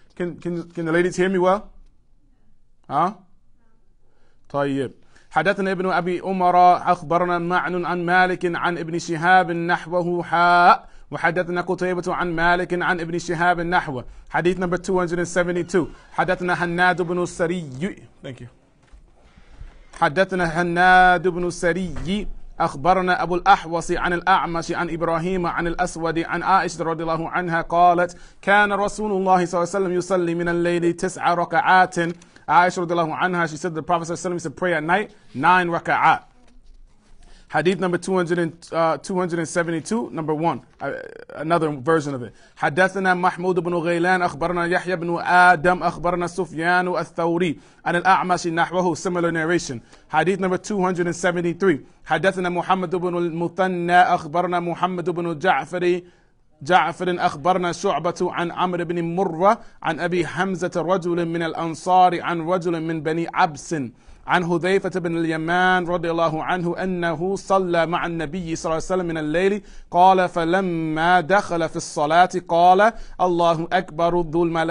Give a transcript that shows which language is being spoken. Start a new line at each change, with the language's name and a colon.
English: Can the ladies hear me well?
Arabic: Huh? طيب. حدثنا ابن أبي أمرا أخبرنا معن عن مالك عن ابن شهاب نحوه حاء وحدثنا قتيبة عن مالك عن ابن شهاب نحوه.
English: Hadith number 272.
Arabic: حدثنا هناد بن السري.
English: Thank you.
Arabic: حدثنا هناد بن السري أخبرنا أبو الأحوص عن الأعمش عن إبراهيم عن الأسود عن عائشة رضي الله عنها قالت كان رسول الله صلى الله عليه وسلم يصلي من الليل تسع ركعات. عائشة رضي الله عنها,
English: she said the Prophet صلى الله عليه وسلم used to pray at night 9 ركعات. Hadith number 272, number 1, another version of it.
Arabic: حدثنا محمود بن غيلان أخبرنا يحيى بن آدم أخبرنا سفيان الثوري عن الأعمش نحوه,
English: similar narration. Hadith number 273.
Arabic: حدثنا محمد بن المثنى أخبرنا محمد بن جعفر أخبرنا شعبة عن عمرو بن مرة عن أبي حمزة رجل من الأنصار عن رجل من بني عبس عن حذيفة بن اليمان رضي الله عنه أنه صلى مع النبي صلى الله عليه وسلم من الليل قال فلما دخل في الصلاة قال الله أكبر ذو